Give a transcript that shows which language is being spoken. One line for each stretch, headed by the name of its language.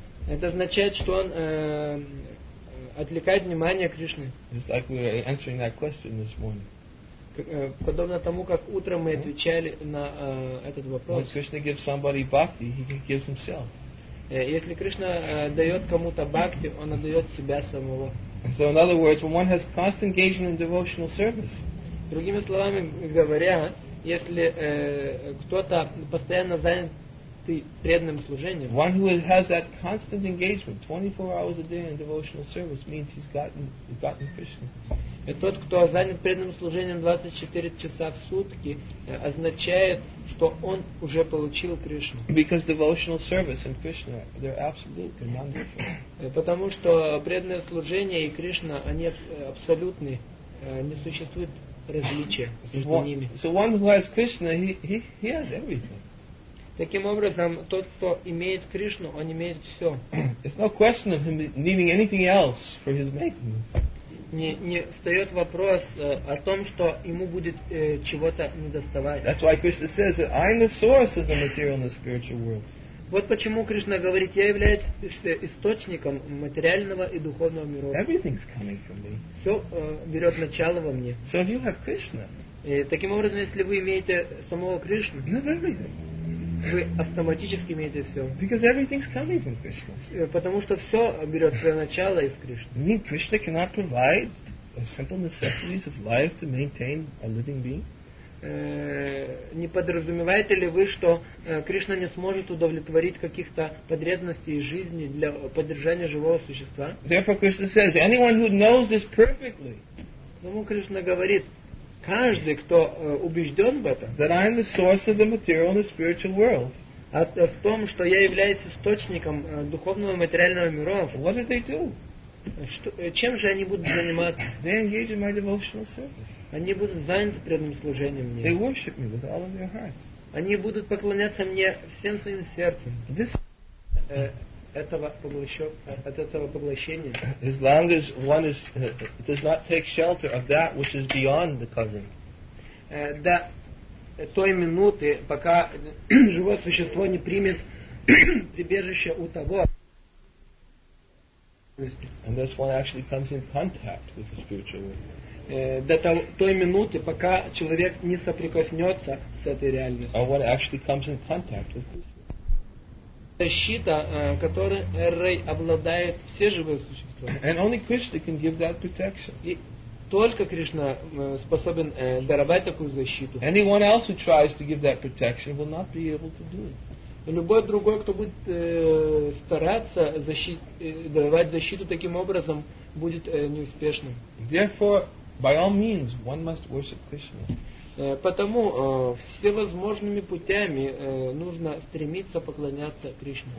Russian: Это означает, что он отвлекает внимание Кришны.
English: It's like we were answering that question this morning.
Russian: Подобно тому, как утром мы отвечали на этот вопрос.
English: When Krishna gives somebody bhakti, he gives himself.
Russian: Если Кришна дает кому-то бхакти, он отдает себя самого.
English: So in other words, when one has constant engagement in devotional service.
Russian: Другими словами говоря, если кто-то постоянно занят преданным служением.
English: One who has that constant engagement, 24 hours a day in devotional service, means he's gotten Krishna.
Russian: И тот, кто занят преданным служением 24 часа в сутки, означает, что он уже получил Кришну.
English: Because devotional service and Krishna, they're absolute, they're wonderful.
Russian: Потому что преданное служение и Кришна, они абсолютны, не существует различия между ними.
English: So one who has Krishna, he has everything.
Russian: Таким образом, тот, кто имеет Кришну, он имеет все.
English: It's no question of him needing anything else for his maintenance.
Russian: Не встает вопрос о том, что ему будет чего-то недоставать.
English: That's why Krishna says that I'm the source of the material and the spiritual worlds.
Russian: Вот почему Кришна говорит, я являюсь источником материального и духовного мира.
English: Everything's coming from me.
Russian: Все берет начало во мне.
English: So if you have Krishna,
Russian: таким образом, если вы имеете самого Кришну,
English: you have everything.
Russian: Вы автоматически имеете все.
English: Because everything's coming from Krishna.
Russian: Потому что все берет свое начало из Кришны.
English: You mean Krishna cannot provide the simple necessities of life to maintain a living being?
Russian: Не подразумеваете ли вы, что Кришна не сможет удовлетворить каких-то потребностей жизни для поддержания живого существа?
English: Therefore Krishna says, anyone who knows this perfectly.
Russian: Потому Кришна говорит, каждый, кто убежден в этом,
English: that I am the source of the material and the spiritual world,
Russian: в том, что я являюсь источником духовного и материального миров,
English: what do they do?
Russian: Чем же они будут заниматься?
English: They engage in my devotional service.
Russian: Они будут заняты преданным служением мне.
English: They worship me with all of their hearts.
Russian: Они будут поклоняться мне всем своим сердцем.
English: This
Russian: этого поглощения.
English: As long as one is does not take shelter of that which is beyond the covering.
Russian: До той минуты, пока живое существо не примет прибежище у того.
English: And this one actually comes in contact with the spiritual world.
Russian: До той минуты, пока человек не соприкоснется с этой реальностью.
English: Or one actually comes in contact with this.
Russian: Защита, которой обладают все живые существа.
English: And only Krishna can give that protection.
Russian: И только Кришна способен даровать такую защиту.
English: Anyone else who tries to give that protection will not be able to do it.
Russian: Любой другой, кто будет стараться даровать защиту таким образом, будет неуспешным.
English: Therefore, by all means, one must worship Krishna.
Russian: Потому всевозможными путями нужно стремиться поклоняться Кришне.